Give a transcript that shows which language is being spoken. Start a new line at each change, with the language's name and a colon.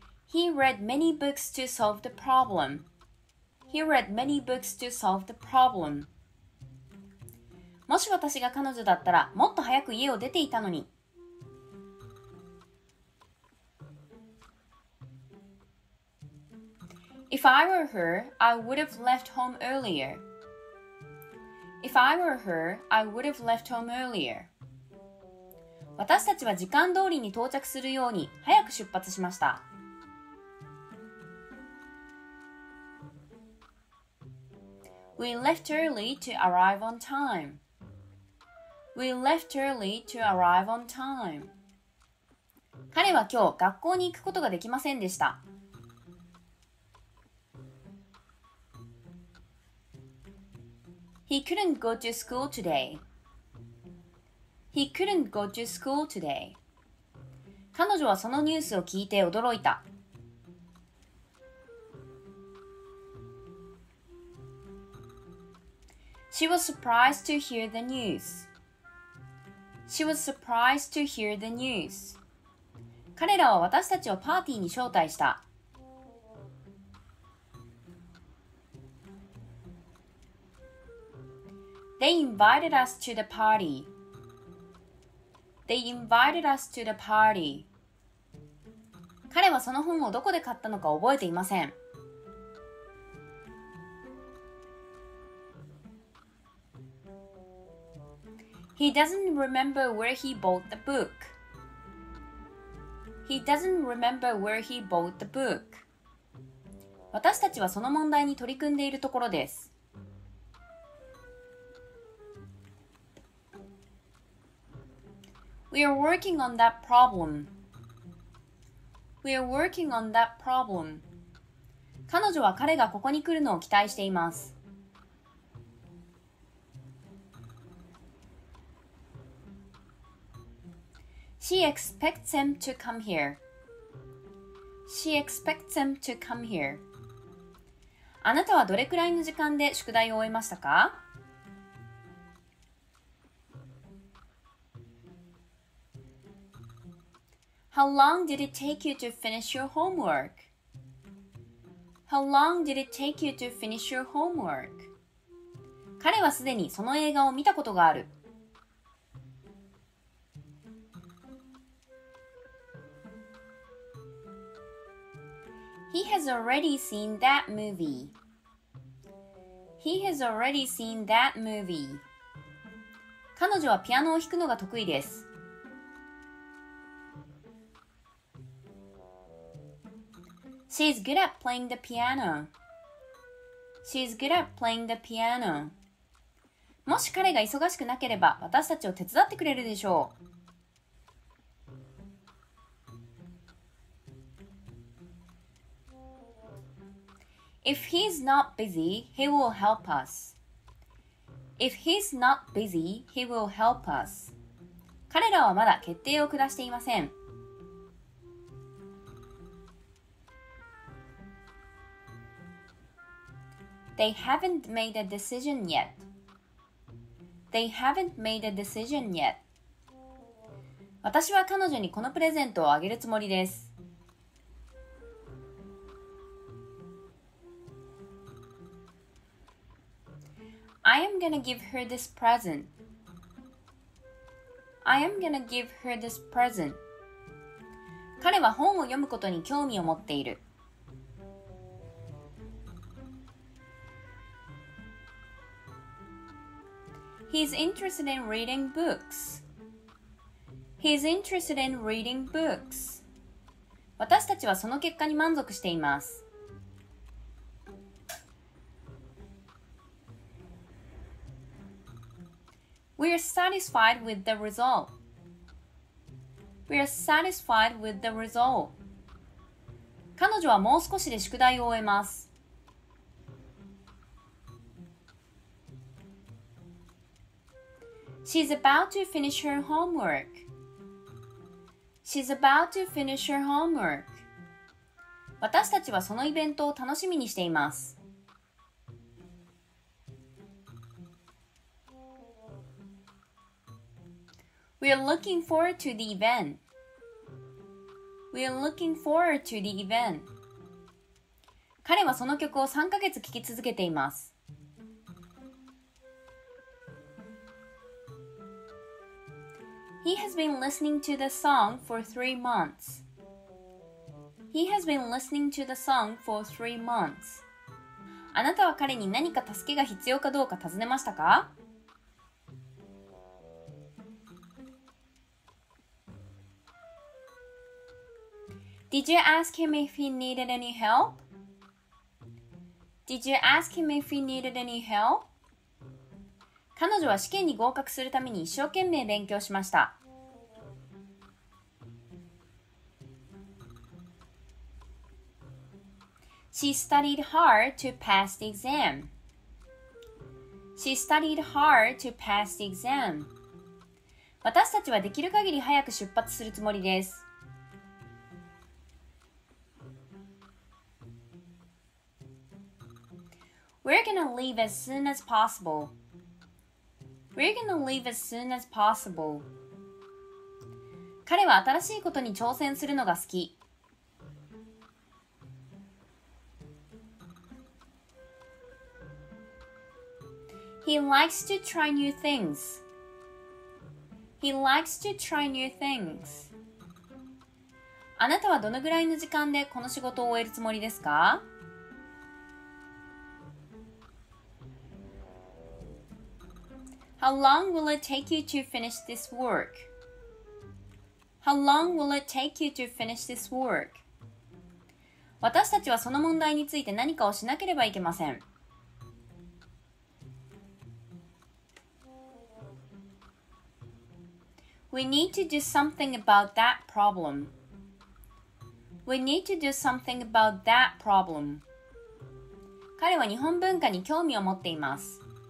English: He read many books to solve the problem. He read many books to solve the problem.
Japanese: もし私が彼女だったら、もっと早く家を出ていたのに。
English: If I were her, I would have left home earlier. If I were her, I would have left home earlier.
Japanese: 私たちは時間通りに到着するように早く出発しました。
English: We left early to arrive on time. We left early to arrive on time.
Japanese: 彼は今日学校に行くことができませんでした。
English: He couldn't go to school today. He couldn't go to school today.
Japanese: 彼女はそのニュースを聞いて驚いた。
English: She was surprised to hear the news. She was surprised to hear the news.
Japanese: 彼らは私たちをパーティーに招待した。
English: They invited us to the party. They invited us to the party.
Japanese: 彼はその本をどこで買ったのか覚えていません。
English: He doesn't remember where he bought the book. He doesn't remember where he bought the book.
Japanese: 私たちはその問題に取り組んでいるところです。
English: We are working on that problem. We are working on that problem.
Japanese: 彼女は彼がここに来るのを期待しています。
English: She expects him to come here. She expects him to come here.
Japanese: あなたはどれくらいの時間で宿題を終えましたか？
English: How long did it take you to finish your homework? How long did it take you to finish your homework?
Japanese: 彼はすでにその映画を見たことがある。
English: He has already seen that movie. He has already seen that movie.
Japanese: 彼女はピアノを弾くのが得意です。
English: She's good at playing the piano. She's good at playing the piano.
Japanese: もし彼が忙しくなければ、私たちを手伝ってくれるでしょう。
English: If he's not busy, he will help us. If he's not busy, he will help us.
Japanese: 彼らはまだ決定を下していません。
English: They haven't made a decision yet. They haven't made a decision yet.
Japanese: 私は彼女にこのプレゼントをあげるつもりです。
English: I am gonna give her this present. I am gonna give her this present.
Japanese: 彼は本を読むことに興味を持っている。
English: He's interested in reading books. He's interested in reading books.
Japanese: 私たちはその結果に満足しています。
English: We are satisfied with the result. We are satisfied with the result.
Japanese: 彼女はもう少しで宿題を終えます。
English: She's about to finish her homework. She's about to finish her homework.
Japanese: 私たちはそのイベントを楽しみにしています。
English: We are looking forward to the event. We are looking forward to the event.
Japanese: 彼はその曲を3ヶ月聴き続けています。
English: He has been listening to the song for 3 months. He has been listening to the song for 3 months.
Japanese: あなたは彼に何か助けが必要かどうか尋ねましたか？
English: Did you ask him if he needed any help? Did you ask him if he needed any help?
Japanese: 彼女は試験に合格するために一生懸命勉強しました。
English: She studied hard to pass the exam. She studied hard to pass the exam.
Japanese: 私たちはできる限り早く出発するつもりです。
English: We're gonna leave as soon as possible. We're gonna leave as soon as possible.
Japanese: 彼は新しいことに挑戦するのが好き。
English: He likes to try new things. He likes to try new things.
Japanese: あなたはどのぐらいの時間でこの仕事を終えるつもりですか？
English: How long will it take you to finish this work? How long will it take you to finish this work?
Japanese: 私たちはその問題について何かをしなければいけません。
English: We need to do something about that problem. We need to do something about that problem.
Japanese: 彼は日本文化に興味を持っています。